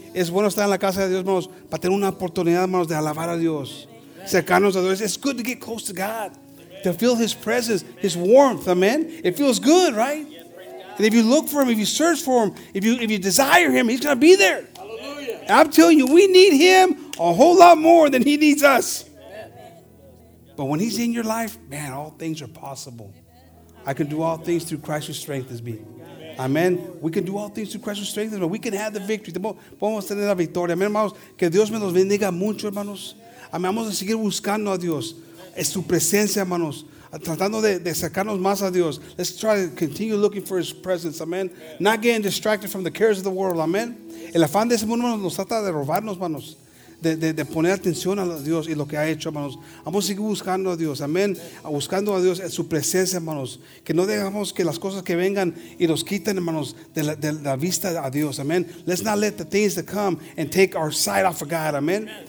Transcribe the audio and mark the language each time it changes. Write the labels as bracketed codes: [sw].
[es] Es bueno estar en la casa de Dios, hermanos, para tener una oportunidad, hermanos, de alabar a Dios. Cercarnos a Dios. [en] It's good to get close to God. To feel his presence, his warmth, amen. It feels good, right? And if you look for him, if you search for him, if you desire him, he's going to be there. Hallelujah. And I'm telling you, we need him a whole lot more than he needs us. But when he's in your life, man, all things are possible. I can do all things through Christ who strengthens me. Amen. We can do all things through Christ who strengthens me. We can have the victory. [es] Podemos tener la victoria. Amen, hermanos. Que Dios me los bendiga mucho, hermanos. Amén. Vamos a seguir buscando a Dios. Es su presencia, hermanos. Tratando de sacarnos más a Dios. [en] Let's try to continue looking for his presence. Amen. Not getting distracted from the cares of the world. [es] Amen. El afán de ese mundo, hermanos, nos trata de robarnos, hermanos. De poner atención a Dios y lo que ha hecho, hermanos. Vamos a seguir buscando a Dios, amén. Buscando a Dios en su presencia, hermanos. Que no dejamos que las cosas que vengan y nos quiten, hermanos, de la vista a Dios, amén. [en] Let's not let the things that come and take our sight off of God, amén.